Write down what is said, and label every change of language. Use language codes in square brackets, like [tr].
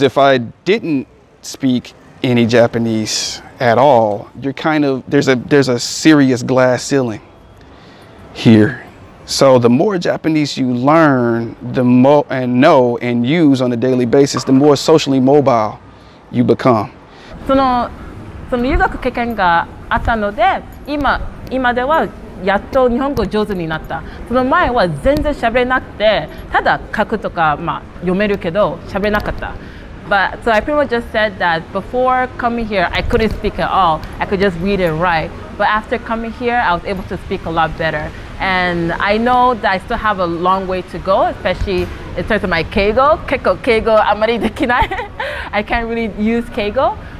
[en] If I didn't speak any Japanese at all, you're kind of, there's a serious glass ceiling here. So the more Japanese you learn and use on a daily basis, the more socially mobile you become. [ja] その留学経験があったので、今ではやっと日本語上手になった。その前は全然喋れなくて、ただ書くとか、まあ、読めるけど喋れなかった。 [en] But so I pretty much just said that before coming here, I couldn't speak at all. I could just read and write. But after coming here, I was able to speak a lot better. And I know that I still have a long way to go, especially in terms of my keigo. [ja] 結構 keigo あまりできない。 [en] I can't really use keigo.